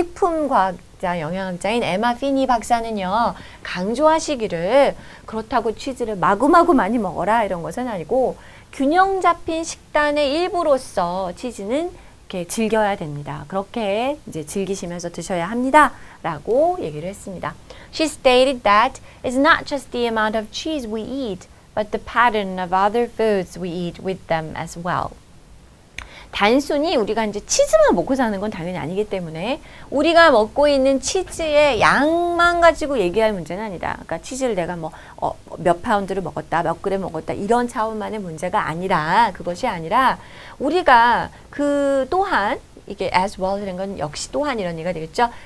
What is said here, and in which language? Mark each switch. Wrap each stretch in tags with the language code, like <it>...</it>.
<ko>식품 과학자 영양학자인 에마 피니 박사는요. 강조하시기를 그렇다고 치즈를 마구마구 많이 먹어라 이런 것은 아니고 균형 잡힌 식단의 일부로서 치즈는 이렇게 즐겨야 됩니다. 그렇게 이제 즐기시면서 드셔야 합니다라고 얘기를 했습니다.</ko> <en>She stated that it's not just the amount of cheese we eat, but the pattern of other foods we eat with them as well.</en> <ko>단순히 우리가 이제 치즈만 먹고 사는 건 당연히 아니기 때문에 우리가 먹고 있는 치즈의 양만 가지고 얘기할 문제는 아니다. 그러니까 치즈를 내가 뭐 몇 파운드를 먹었다, 몇 그램 먹었다 이런 차원만의 문제가 아니라 그것이 아니라 우리가 그 또한 이게 as well이라는 건 역시 또한 이런 얘기가 되겠죠.</ko>